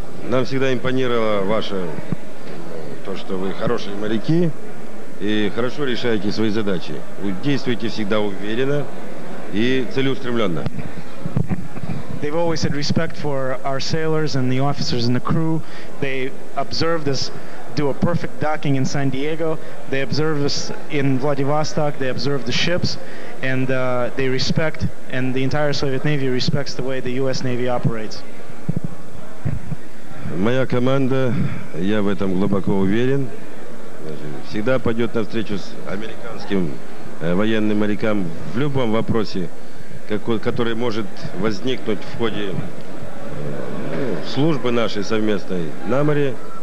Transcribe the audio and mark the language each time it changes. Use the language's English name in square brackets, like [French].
[Russian] Нам всегда импонировало ваше, то, что вы хорошие моряки, и хорошо решаете свои задачи. Вы действуете всегда уверенно и целеустремленно. [English] They've always had respect for our sailors and the officers and the crew. They observed us do a perfect docking in San Diego. They observed us in Vladivostok. They observed the ships. And they respect, and the entire Soviet Navy respects the way the U.S. Navy operates. [Russian] Моя команда, я в этом глубоко уверен, всегда пойдет навстречу с американским военным морякам в любом вопросе, который может возникнуть в ходе службы нашей совместной на море.